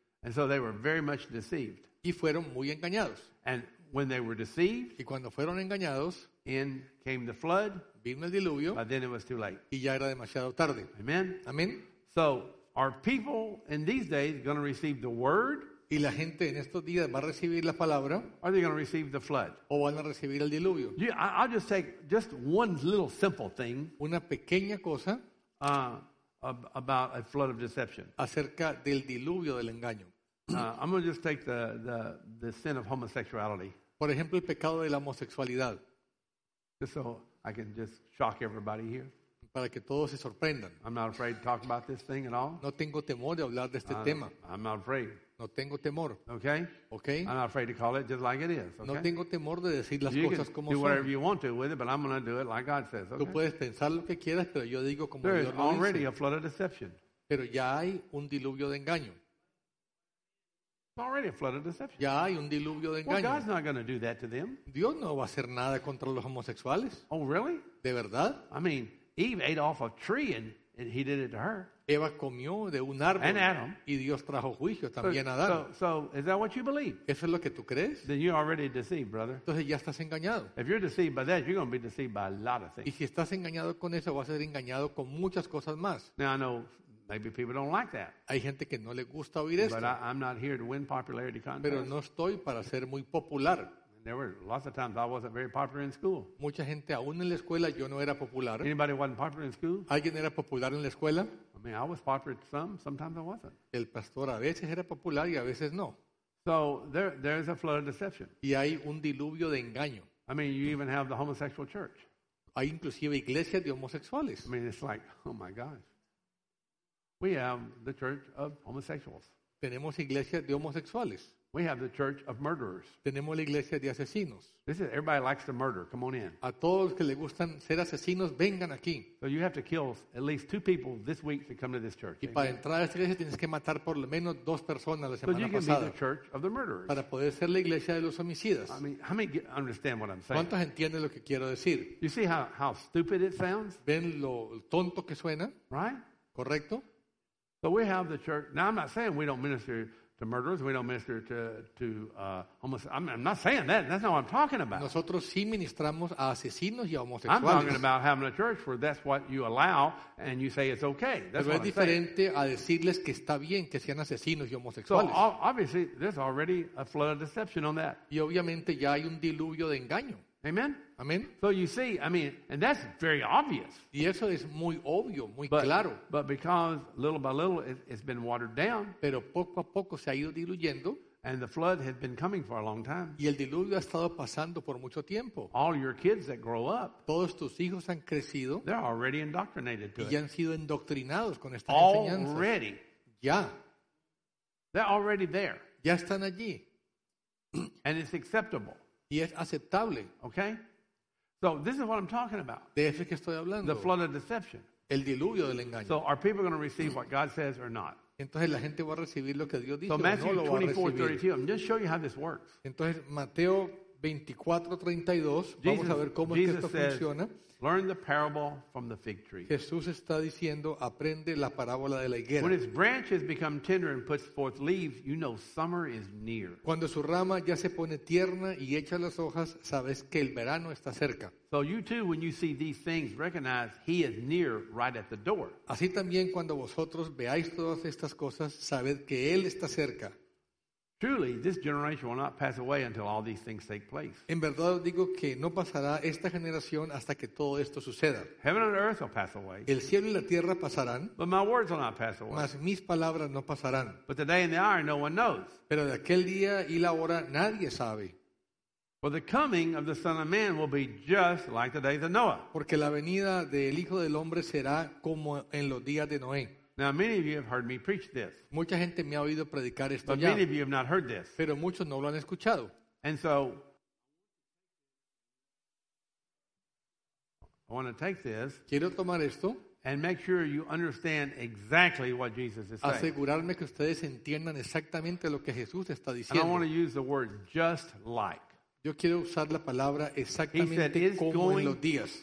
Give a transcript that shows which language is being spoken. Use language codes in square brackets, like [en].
[en] And so they were very much deceived. [es] Y fueron muy engañados. [en] And when they were deceived, [es] y cuando fueron engañados, [en] in came the flood. [es] Vino el diluvio. [en] But then it was too late. [es] Y ya era demasiado tarde. [en] Amen. [es] Amen. [en] So are people in these days going to receive the word? [es] Y la gente en estos días va a recibir la palabra. [en] Are they going to receive the flood? [es] O van a recibir el diluvio. [en] Yeah, I'll just take just one little simple thing. [es] Una pequeña cosa. [en] About a flood of deception. [es] Acerca del diluvio del engaño. [en] I'm going to just take the sin of homosexuality. [es] Por ejemplo, el pecado de la homosexualidad. [en] Just so I can just shock everybody here. [es] Para que todos se sorprendan. [en] I'm not afraid to talk about this thing at all. [es] No tengo temor de hablar de este tema. [en] I'm not afraid. [es] No tengo temor. [en] Okay. [es] Okay. [en] I'm not afraid to call it just like it is. Okay? [es] No tengo temor de decir las [en] you [es] cosas como son. [en] You can do whatever you want to with it, but I'm going to do it like God says. Okay? [es] Tú puedes pensar lo que quieras, pero yo digo como [en] there [es] Dios lo dice. [en] There is already a flood of deception. [es] Pero ya hay un diluvio de engaño. [en] Already a flood of deception. [es] Ya hay un diluvio de engaño. [en] Well, God's not going to do that to them. [es] Dios no va a hacer nada contra los homosexuales. [en] Oh, really? [es] ¿De verdad? [en] I mean, Eve ate off of a tree and he did it to her. [es] Eva comió de un árbol. [en] And Adam. [es] Y Dios trajo juicio también a Adán. [en] So is that what you believe? [es] ¿Eso es lo que tú crees? [en] Then you're already deceived, brother. [es] Entonces ya estás engañado. [en] If you're deceived by that, you're going to be deceived by a lot of things. [es] Y si estás engañado con eso, vas a ser engañado con muchas cosas más. [en] Now, I know maybe people don't like that. [es] Hay gente que no le gusta oír esto. [en] But I'm not here to win popularity contests. [es] Pero no estoy para ser muy popular. [en] There were lots of times I wasn't very popular in school. [es] Mucha gente, aún en la escuela, yo no era popular. [en] Anybody wasn't popular in school? [es] ¿Alguien era popular en la escuela? [en] I mean, I was popular sometimes I wasn't. [es] El pastor a veces era popular y a veces no. [en] So there is a flood of deception. [es] Y hay un diluvio de engaño. [en] I mean, you even have the homosexual church. [es] Hay inclusive iglesias de homosexuales. [en] I mean, it's like, oh my gosh. We have the church of homosexuals. [es] Tenemos iglesias de homosexuales. [en] We have the church of murderers. [es] Tenemos la iglesia de asesinos. [en] This is everybody likes to murder. Come on in. [es] A todos que le gustan ser asesinos, vengan aquí. [en] So you have to kill at least two people this week to come to this church. [es] Y amen. Para entrar a esta iglesia tienes que matar por lo menos dos personas la semana pasada. [en] So you can be the church of the murderers. [es] Para poder ser la iglesia de los homicidas. [en] I mean, how many understand what I'm saying? [es] ¿Cuántos entienden lo que quiero decir? [en] You see how stupid it sounds? [es] ¿Ven lo tonto que suena? [en] Right? [es] ¿Correcto? [en] So we have the church. Now I'm not saying we don't minister to murderers, we don't minister to homosexuals. I'm not saying that. That's not what I'm talking about. [es] Nosotros sí ministramos a asesinos y a homosexuales. [en] I'm talking about having a church where that's what you allow and you say it's okay. That's [es] pero es diferente a decirles que está bien que sean asesinos y homosexuales. [en] So obviously, there's already a flood of deception on that. [es] Y obviamente ya hay un diluvio de engaño. [en] Amen. [es] Amen. [en] So you see, I mean, and that's very obvious. [es] Y eso es muy obvio, muy claro. [en] But because little by little it's been watered down. [es] Pero poco a poco se ha ido diluyendo. [en] And the flood had been coming for a long time. [es] Y el diluvio ha estado pasando por mucho tiempo. [en] All your kids that grow up. [es] Todos tus hijos han crecido. [en] They're already indoctrinated to it. [es] Y ya han sido indoctrinados con estas enseñanzas. [en] Already. [es] Ya. [en] They're already there. [es] Ya están allí. [en] And it's acceptable. [es] Y es aceptable. [en] Okay? So this is what I'm talking about. [es] De eso que estoy hablando. [en] The flood of deception. [es] El diluvio del engaño. [en] So are people going to receive what God says or not? [es] Entonces la gente va a recibir lo que Dios dice o no lo va a recibir. [en] So Matthew 24:32. I'm just showing you how this works. [es] Entonces Mateo 24:32. Vamos a ver cómo [en] Jesus [es] es que esto [en] says, [es] funciona. [en] Learn the parable from the fig tree. [es] Jesús está diciendo, aprende la parábola de la higuera. [en] When its branches become tender and puts forth leaves, you know summer is near. [es] Cuando su rama ya se pone tierna y echa las hojas, sabes que el verano está cerca. [en] So you too, when you see these things, recognize he is near right at the door. [es] Así también cuando vosotros veáis todas estas cosas, sabed que él está cerca. [en] Truly, this generation will not pass away until all these things take place. [es] En verdad digo que no pasará esta generación hasta que todo esto suceda. [en] Heaven and earth will pass away. [es] El cielo y la tierra pasarán. [en] But my words will not pass away. [es] Mas mis palabras no pasarán. [en] But the day and the hour, no one knows. [es] Pero de aquel día y la hora, nadie sabe. [en] For the coming of the Son of Man will be just like the days of Noah. [es] Porque la venida del Hijo del Hombre será como en los días de Noé. [en] Now many of you have heard me preach this. [es] Mucha gente me ha oído predicar esto ya. [en] Many of you have not heard this. [es] Pero muchos no lo han escuchado. [en] And so I want to take this. [es] Quiero tomar esto. [en] And make sure you understand exactly what Jesus is saying. [es] Asegurarme que ustedes entiendan exactamente lo que Jesús está diciendo. [en] And I want to use the word just like. [es] Yo quiero usar la palabra exactamente como en los días.